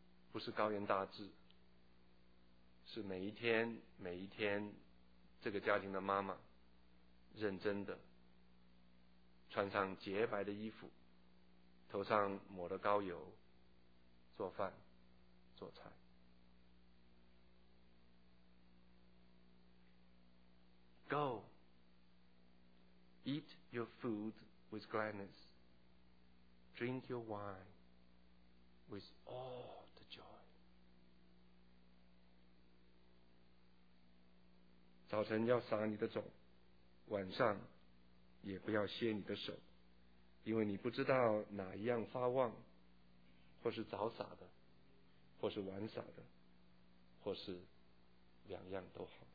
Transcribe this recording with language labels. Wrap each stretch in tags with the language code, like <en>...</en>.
<zh>不是高言大志，是每一天每一天，这个家庭的妈妈认真的穿上洁白的衣服，头上抹了膏油，做饭做菜。</zh> <en>Go, eat your food with gladness. Drink your wine with all the joy.</en> <zh>早晨要撒你的种，晚上也不要歇你的手，因为你不知道哪一样发旺，或是早撒的，或是晚撒的，或是两样都好。</zh>